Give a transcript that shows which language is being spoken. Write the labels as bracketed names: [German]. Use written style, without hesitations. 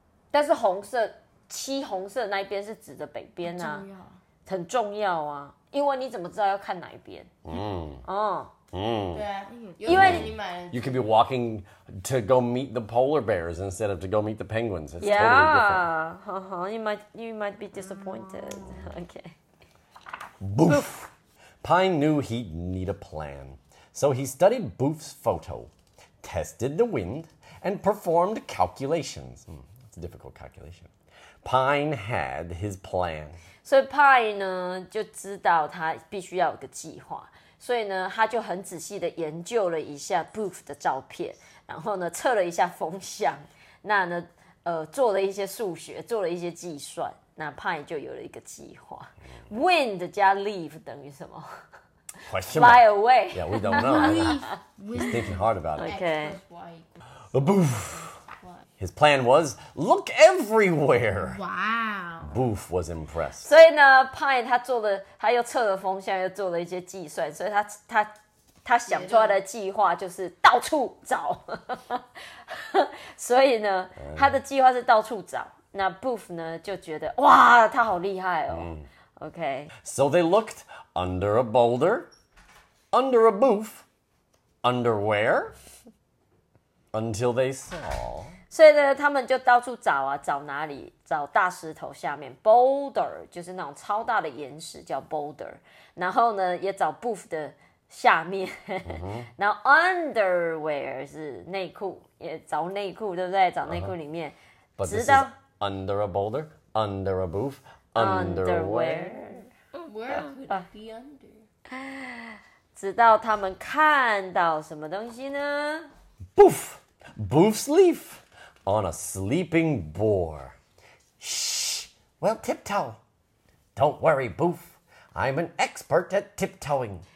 [Chinese] 但是红色，漆红色那一边是指着北边啊。很重要。很重要啊，因为你怎么知道要看哪一边？对啊，因为你买了 [English] ，You could be walking to go meet the polar bears instead of to go meet the penguins. It's totally different. Yeah, you might be disappointed. Okay. Boof. Pine knew he'd need a plan, so he studied Boof's photo, tested the wind, and performed calculations. It's a difficult calculation. Pine had his plan. So [Chinese] Pine 呢就知道他必须要有个计划。所以呢，他就很仔细的研究了一下 Boof 的照片，然后呢，测了一下风向，那呢，做了一些数学，做了一些计算，那 Pine 就有了一个计划。 [English] Wind [Chinese] 加 [English] leaf [Chinese] 等于什么 [English] ？Fly away. Yeah, we don't know. He's thinking hard about it. Okay. Boof. His plan was, look everywhere. Wow. Boof was impressed. [Chinese] 所以呢 ,Pine 他做了他又测了风向又做了一些计算所以他想出来的计划就是到处找。所以呢他的计划是到处找。那 Boof 呢就觉得哇他好厉害哦。OK. [English] So they looked under a boulder, under a boof, under where, until they saw... [Chinese] 所以呢他们就到处找啊找哪里找大石头下面 Boulder 就是那种超大的岩石叫 Boulder 然后呢也找 Boof 的下面、mm-hmm. 然后 Underwear 是内裤也找内裤对不对找内裤里面、uh-huh. [English] But this is under a boulder under a boof Underwear Where could it be under [Chinese] 直到他们看到什么东西呢 [English] Boof Boof's leafOn a sleeping boar. Shh! Well, tiptoe. Don't worry, Boof. I'm an expert at tiptoeing.